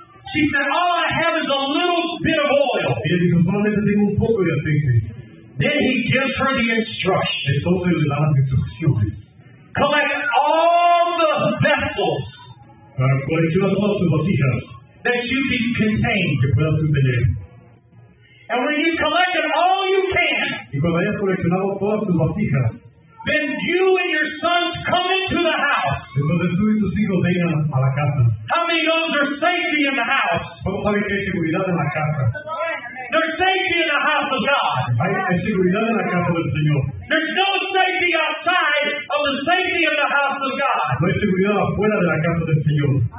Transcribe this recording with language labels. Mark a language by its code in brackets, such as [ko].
[en] She said, all I have is a little bit of oil. [es] Y él dijo, solamente tengo un poco de aceite. [en] Then he gives her the instructions. [es] Entonces le da las instrucciones. [en] Collect all the vessels. [es] Colecciona todas tus vasijas. [en] That should be contained. [es] Que puedas contener. [en] And when you've collected all you can, [es] y cuando hayas coleccionado todas tus vasijas, [en] then you and your sons come into the house. [es] Entonces tú y tus hijos vengan a la casa. [en] How many know there's safety in the house? [es] ¿Cómo saben que hay seguridad en la casa? [en] There's safety in the house of God. [es] Hay seguridad en la casa del Señor. [en] There's no safety outside be in the house of God. [es] Nuestro cuidado afuera de la casa del Señor.